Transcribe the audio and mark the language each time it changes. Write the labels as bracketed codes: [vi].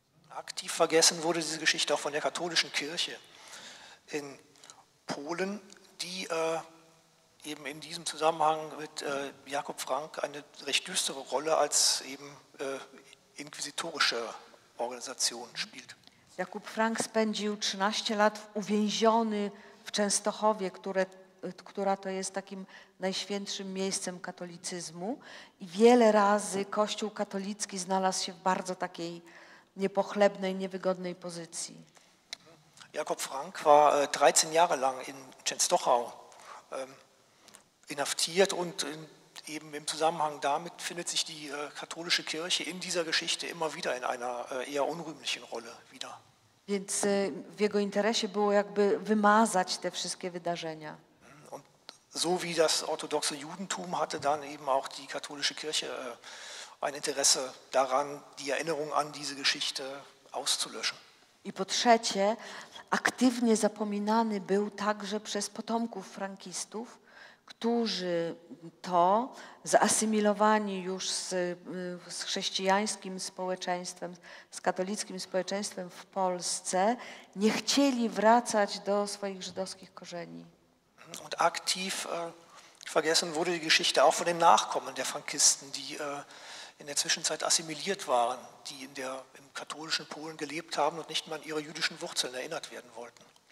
[de] Aktiv vergessen wurde diese Geschichte auch von der katholischen Kirche in Polen, die eben in diesem Zusammenhang mit Jakob Frank eine recht düstere Rolle als eben inkwizytorische Organisation spielt. [pl] Jakub Frank spędził 13 lat uwięziony w Częstochowie, która to jest takim najświętszym miejscem katolicyzmu i wiele razy Kościół katolicki znalazł się w bardzo takiej niepochlebnej, niewygodnej pozycji. [de] Jakob Frank war 13 Jahre lang in Częstochau inhaftiert und eben im Zusammenhang damit findet sich die katholische Kirche in dieser Geschichte immer wieder in einer eher unrühmlichen Rolle wieder. [pl] Więc w jego interesie było jakby wymazać te wszystkie wydarzenia. [de] Und so wie das orthodoxe Judentum hatte dann eben auch die katholische Kirche ein Interesse daran, die Erinnerung an diese Geschichte auszulöschen. [pl] I po trzecie, aktywnie zapominany był także przez potomków frankistów, którzy to zasymilowani już z chrześcijańskim społeczeństwem, z katolickim społeczeństwem w Polsce, nie chcieli wracać do swoich żydowskich korzeni. [de] Und aktiv vergessen wurde die Geschichte auch von den Nachkommen der Frankisten, die in der Zwischenzeit assimiliert waren, die in der, im katholischen Polen gelebt haben und nicht mehr an ihre jüdischen Wurzeln erinnert werden wollten.